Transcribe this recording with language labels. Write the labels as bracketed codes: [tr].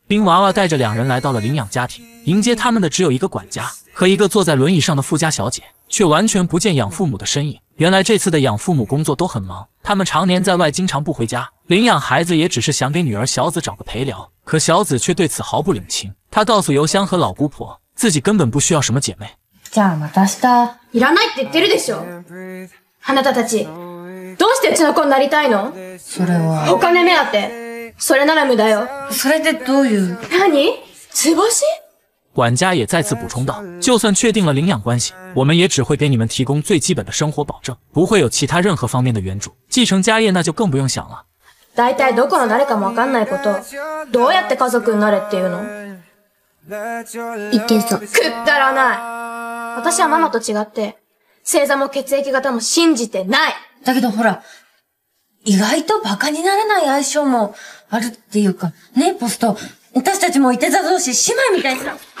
[zh] 冰娃娃带着两人来到了领养家庭，迎接他们的只有一个管家和一个坐在轮椅上的富家小姐，却完全不见养父母的身影。原来这次的养父母工作都很忙，他们常年在外，经常不回家，领养孩子也只是想给女儿小子找个陪聊，可小子却对此毫不领情。他告诉邮箱和老姑婆，自己根本不需要什么姐妹。 [ja] じゃあまた明日。いらないって言ってるでしょ。あなたたち、どうしてうちの子になりたいの？それは。お金目当て。それなら無駄よ。それでどういう？何？つぼし？ [zh] 管家也再次补充道，就算确定了领养关系，我们也只会给你们提供最基本的生活保证，不会有其他任何方面的援助。继承家业那就更不用想了。 [ja] 大体どこの誰かもわかんないこと、どうやって家族になれっていうの？一見そう。くだらない。私はママと違って、星座も血液型も信じてない。だけどほら、意外とバカになれない相性もあるっていうか、ねえポスト、私たちもいて座同士姉妹みたいな。